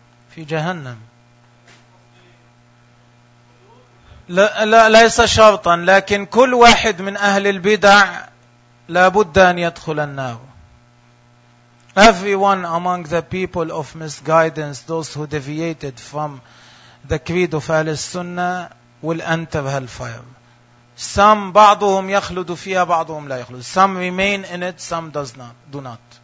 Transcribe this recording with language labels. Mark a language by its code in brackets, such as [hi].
[ar] في جهنم لا لا ليس شرطا لكن كل واحد من أهل البدع لابد أن يدخل النار. [en] Everyone among the people of misguidance, those who deviated from the creed of Al-Sunnah will enter hellfire. Some [ar] بعضهم يخلد فيها بعضهم لا يخلد. [en] Some remain in it, some does not. Do not.